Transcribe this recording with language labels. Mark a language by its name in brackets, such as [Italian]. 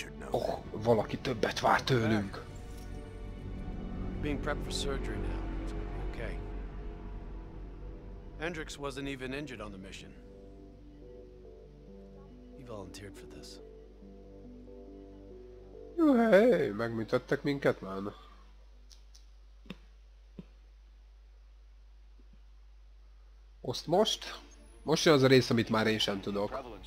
[Hungarian] Oh, valaki többet vár tőlünk. [English] Being prepped for surgery now. Okay. Hendrix wasn't even injured on the mission. He volunteered for this. [Hungarian] Jó, hey, megmutattak minket már. Most most? Most jön az a rész, amit már én sem tudok.